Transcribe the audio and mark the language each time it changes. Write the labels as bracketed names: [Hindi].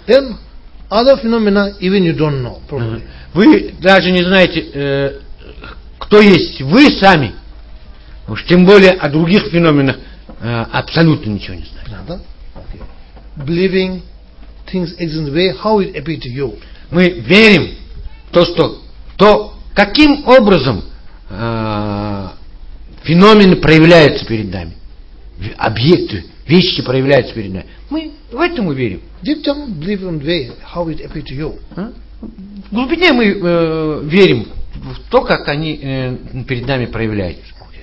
[English] Then, other phenomena, even you don't know properly. [Russian] Вы даже не знаете, кто есть вы сами. Уж тем более о других феноменах абсолютно ничего не знаете. Понятно, да? Okay. [English] Believing things exist in the way, how it appears to you. [Russian] Мы верим в то, что то, каким образом феномены проявляются перед нами? Объекты, вещи проявляются перед нами. Мы в этом верим. [English] Deep down, believe in way, how it appears to you. [Russian] В глубине мы верим в то, как они перед нами проявляются.